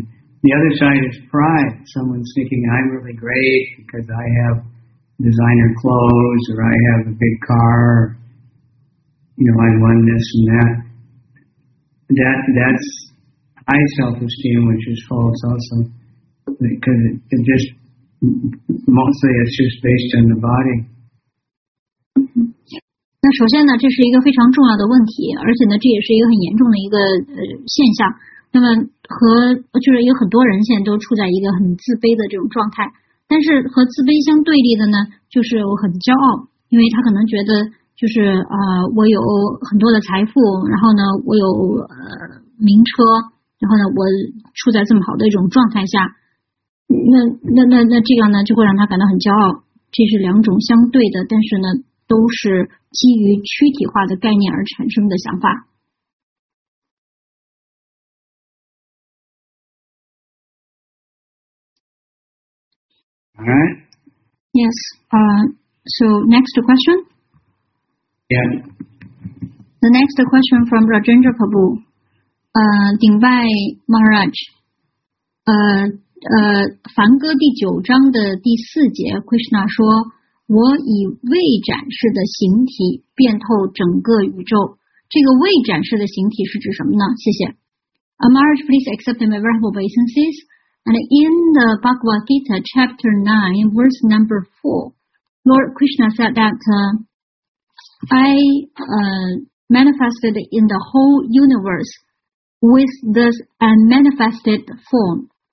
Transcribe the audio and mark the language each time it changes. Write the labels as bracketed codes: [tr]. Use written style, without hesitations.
[en] And the other side is pride. Someone's thinking, I'm really great because I have designer clothes or I have a big car. Or, you know, I won this and that. That's high self-esteem, which is false also. Because it just, mostly it's just based on the body. [zh] 那首先呢，这是一个非常重要的问题，而且呢，这也是一个很严重的一个现象。那么和就是有很多人现在都处在一个很自卑的这种状态，但是和自卑相对立的呢，就是我很骄傲，因为他可能觉得就是我有很多的财富，然后呢，我有名车，然后呢，我处在这么好的一种状态下，那这样呢，就会让他感到很骄傲。这是两种相对的，但是呢，都是。基于躯体化的概念而产生的想法。 [en] All right. Yes. So next question. Yeah. The next question from Rajendra Prabhu, Dingbai Maharaj. [zh] 梵歌第九章的第四节 ，Krishna 说。我以未展示的形体遍透整个宇宙。这个未展示的形体是指什么呢？谢谢。 [en] Amaraj, please accept my verbal obeisances. And in the Bhagavad Gita, chapter 9, verse number 4, Lord Krishna said that I manifested in the whole universe with this unmanifested form.